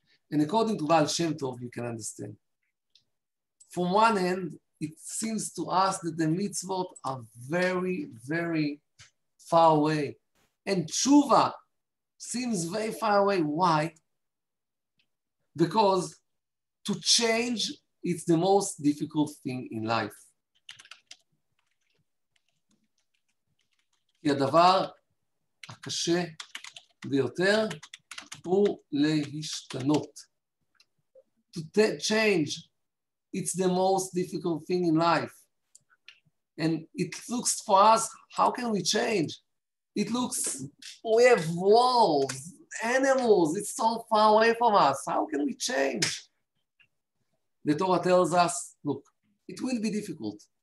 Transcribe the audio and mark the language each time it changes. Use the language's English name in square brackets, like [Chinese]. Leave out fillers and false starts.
[English] And according to Baal Shem Tov, you can understand. From one end, it seems to us that the mitzvot are very, very far away. And tshuva seems very far away. Why? Because to change, it's the most difficult thing in life. [Hebrew] הדבר הקשה ביותר הוא להשתנות. [English] To change, it's the most difficult thing in life. And it looks for us, how can we change? It looks, we have walls, animals, it's so far away from us. How can we change? The Torah tells us, look, it will be difficult.